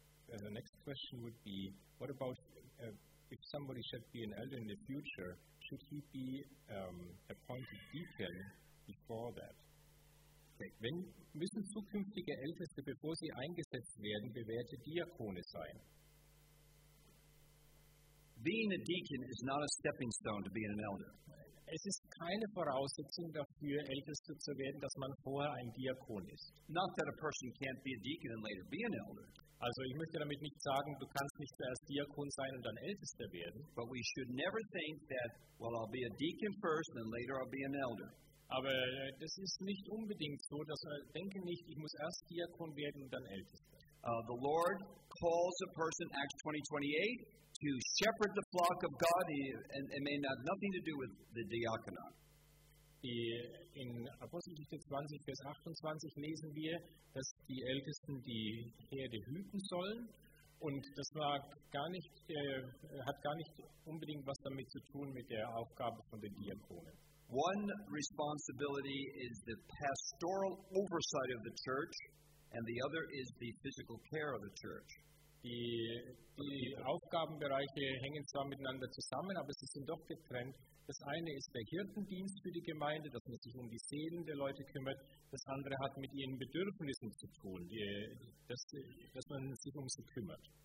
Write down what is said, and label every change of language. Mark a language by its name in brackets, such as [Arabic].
[English] The next question would be, what about if somebody should be an elder in the future, should he be appointed deacon before that? Okay. [German] Wenn müssen zukünftige Älteste, bevor sie eingesetzt werden, bewährte Diakone sein? [English] Being a deacon is not a stepping stone to being an elder. [German] Es ist keine Voraussetzung dafür, Älteste zu werden, dass man vorher ein Diakon ist. [English] Not that a person can't be a deacon and later be an elder. [German] Also ich möchte damit nicht sagen, du kannst nicht zuerst Diakon sein und dann Ältester werden. [English] But we should never think that, well, I'll be a deacon first and later I'll be an elder. [German] Aber das ist nicht unbedingt so, dass man denke nicht, ich muss erst Diakon werden und dann Ältester. [English] The Lord calls a person, Acts 20:28, to shepherd the flock of God, and may not nothing to do with the diaconate. [German] In Apostelgeschichte 20, Vers 28 lesen wir, dass die Ältesten die Herde hüten sollen. Und das war gar nicht, hat gar nicht unbedingt was damit zu tun mit der Aufgabe von den Diakonen. [English] One responsibility is the pastoral oversight of the church, and the other is the physical care of the church. [German] Die Aufgabenbereiche hängen zwar miteinander zusammen, aber sie sind doch getrennt. Das eine ist der Hirtendienst für die Gemeinde, dass man sich um die Seelen der Leute kümmert. Das andere hat mit ihren Bedürfnissen zu tun, dass man sich um sie kümmert.